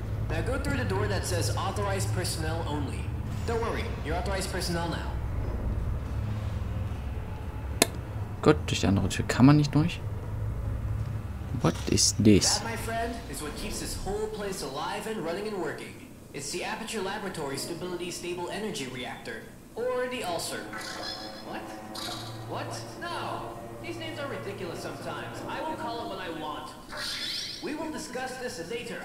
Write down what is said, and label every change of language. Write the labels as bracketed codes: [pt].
[en] Now go through the door that says authorized personnel only. Don't worry, you're authorized personnel now. [de] Gut, durch die andere Tür kann man nicht durch. [en] What is this? That, my friend, is what keeps this whole place alive and running and working. It's the Aperture Laboratory Stability Stable Energy Reactor. Or the Ulcer. What? What? No! These names are ridiculous sometimes. I will call it what I want. We will discuss this later.